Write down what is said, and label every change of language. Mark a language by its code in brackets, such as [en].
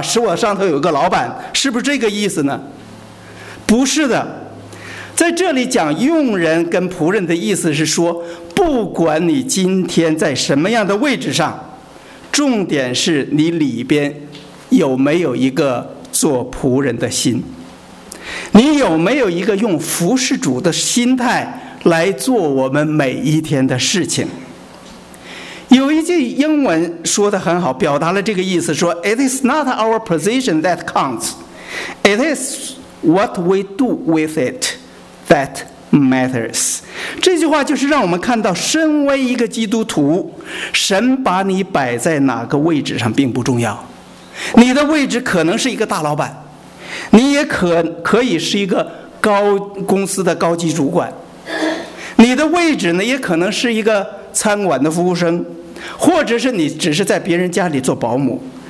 [zh] 使我上头有个老板，是不是这个意思呢？不是的，在这里讲用人跟仆人的意思是说，不管你今天在什么样的位置上，重点是你里边有没有一个做仆人的心，你有没有一个用服侍主的心态来做我们每一天的事情。有一句英文说得很好，表达了这个意思，说 [en] It is not our position that counts, it is what we do with it that matters. [zh] 这句话就是让我们看到，身为一个基督徒，神把你摆在哪个位置上并不重要。你的位置可能是一个大老板，你也可以是一个公司的高级主管，你的位置呢，也可能是一个餐馆的服务生，或者是你只是在别人家里做保姆，